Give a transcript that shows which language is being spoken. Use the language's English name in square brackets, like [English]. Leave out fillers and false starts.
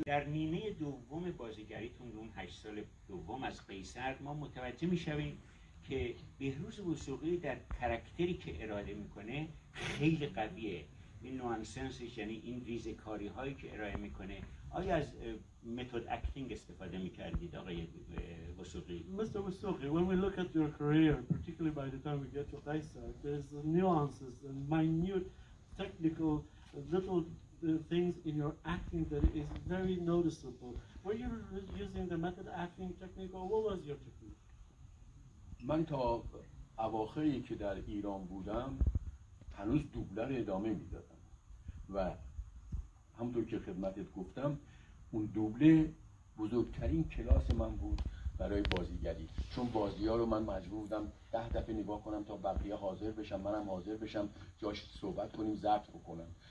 [Persian] در نیمه دوم بازیگریتون اون 8 سال دوم از قیصر ما متوجه میشویم که بهروز وثوقی در کاراکتری که اراده میکنه خیلی قویه. این نوانسنسش یعنی این ریزکاری هایی که ارائه میکنه آیا از متد اکتینگ استفاده میکردید آقای وثوقی؟ [English] Mister وثوقی، when we look at your career, particularly by the time we get to Kaiser, there's nuances and minute technical little things in your acting that is very noticeable. Were you using the method acting technique or what was your technique? [Persian] من تا اواخری که در ایران بودم هنوز دوبلر ادامه میدادم و همونطور که خدمتت گفتم اون دوبله بزرگترین کلاس من بود برای بازیگری چون بازی ها رو من مجبور بودم 10 دفعه نگاه کنم تا بقیه حاضر بشم منم حاضر بشم جاش صحبت کنیم ضبط بکنم